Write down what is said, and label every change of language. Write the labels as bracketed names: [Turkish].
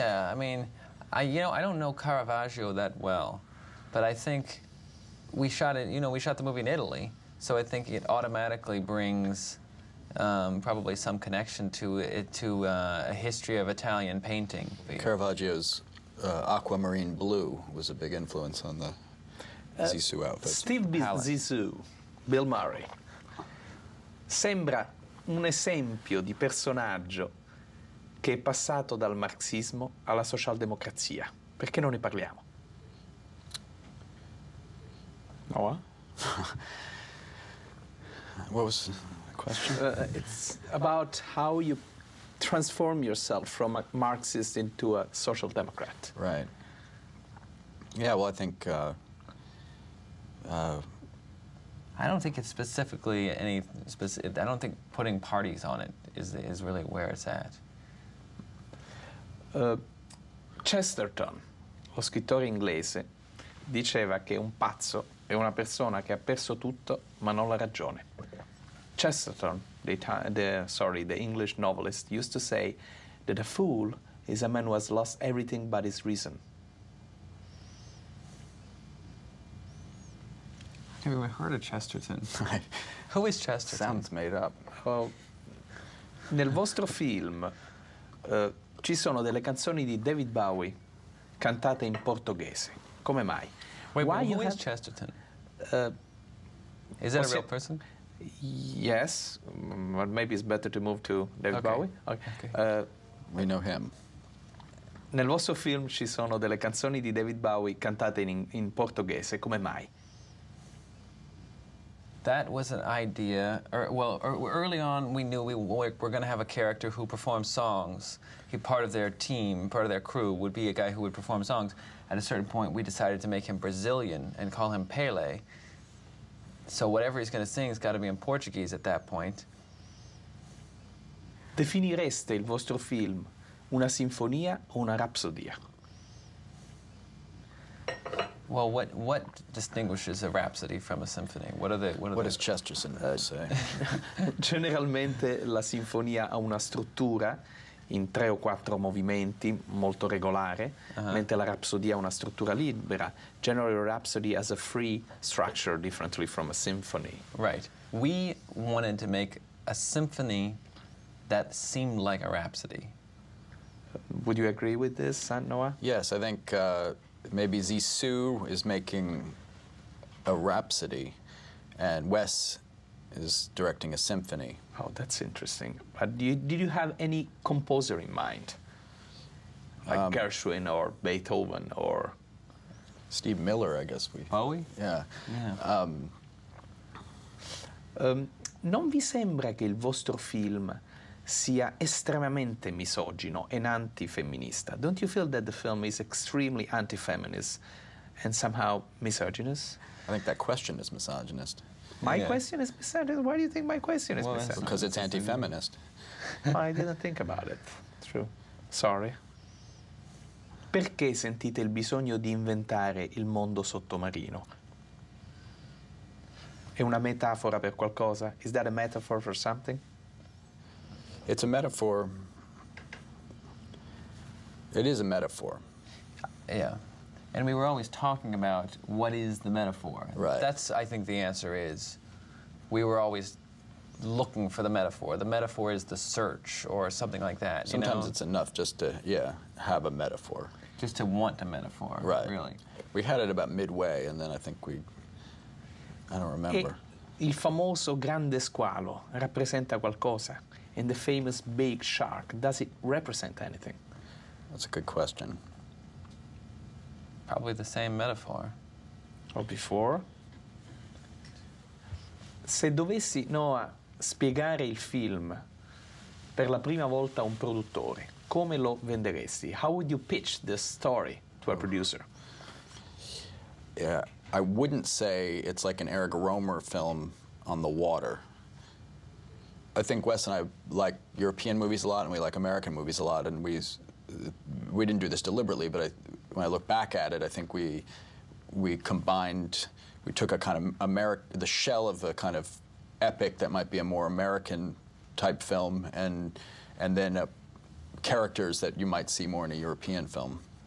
[English] I don't know Caravaggio that well, but I think we shot it. You know, we shot the movie in Italy, so I think it automatically brings probably some connection to it, to a history of Italian painting. Caravaggio's aquamarine blue was a big influence on the Zissou outfit. Zissou. [Italian] Bill Murray sembra un esempio di personaggio che è passato dal marxismo alla socialdemocrazia. Perché non ne parliamo? Noah? [English] What was the question? It's about how you transform yourself from a Marxist into a social democrat. Right. Yeah, well, I think... I don't think it's specifically any... I don't think putting parties on it is really where it's at. [Italian] Chesterton, lo scrittore inglese, diceva che un pazzo è una persona che ha perso tutto, ma non la ragione. [English] Chesterton, the English novelist, used to say that a fool is a man who has lost everything but his reason. I never heard of Chesterton. Who is Chesterton? Sounds made up. [Italian] Well, nel vostro film ci sono delle canzoni di David Bowie cantate in portoghese. Come mai? [English] Wait, why who is Chesterton? Is that a real person? Yes, but maybe it's better to move to David Bowie. Okay. We know him. [Italian] Nel vostro film ci sono delle canzoni di David Bowie cantate in portoghese. Come mai? [English] That was an idea. Early on, we knew we're going to have a character who performs songs. He, part of their team, part of their crew, would be a guy who would perform songs. At a certain point, we decided to make him Brazilian and call him Pele. So whatever he's going to sing has got to be in Portuguese at that point. [Italian] Definireste il vostro film una sinfonia o una rapsodia? [English] Well, what distinguishes a rhapsody from a symphony? What does Chesterton say? [Italian] Generalmente la sinfonia ha una struttura in tre o quattro movimenti molto regolare, uh-huh. mentre la rapsodia ha una struttura libera. [English] Generally, a rhapsody has a free structure differently from a symphony. Right. We wanted to make a symphony that seemed like a rhapsody. Would you agree with this, Saint Noah? Yes, I think maybe Zissou is making a rhapsody, and Wes is directing a symphony. Oh, that's interesting. But did you have any composer in mind? Like Gershwin or Beethoven or... Steve Miller, I guess. Bowie? Yeah. [Italian] Non vi sembra che il vostro film sia estremamente misogino e anti-femminista? [English] Don't you feel that the film is extremely anti-feminist and somehow misogynist? I think that question is misogynist. My question is misogynist? Why do you think my question is misogynist? Because it's anti-feminist. Well, I didn't think about it. True. Sorry. [Italian] Perché sentite il bisogno di inventare il mondo sottomarino? È una metafora per qualcosa? [English] Is that a metaphor for something? It's a metaphor. It is a metaphor. Yeah. And we were always talking about what is the metaphor. Right. That's, I think, the answer is we were always looking for the metaphor. The metaphor is the search or something like that. Sometimes you know? It's enough just to, have a metaphor. Just to want a metaphor. Right. Really. We had it about midway, and then I think we... I don't remember. [Italian] Il famoso grande squalo rappresenta qualcosa. [English] And the famous big shark, does it represent anything? That's a good question. Probably the same metaphor. Or before? [Italian] Se dovessi, Noah, spiegare il film per la prima volta a un produttore, come lo venderesti? [English] How would you pitch this story to a producer? Yeah, I wouldn't say it's like an Eric Rohmer film on the water. I think Wes and I like European movies a lot, and we like American movies a lot, and we didn't do this deliberately, but when I look back at it, I think we took a kind of the shell of a kind of epic that might be a more American type film, and then characters that you might see more in a European film.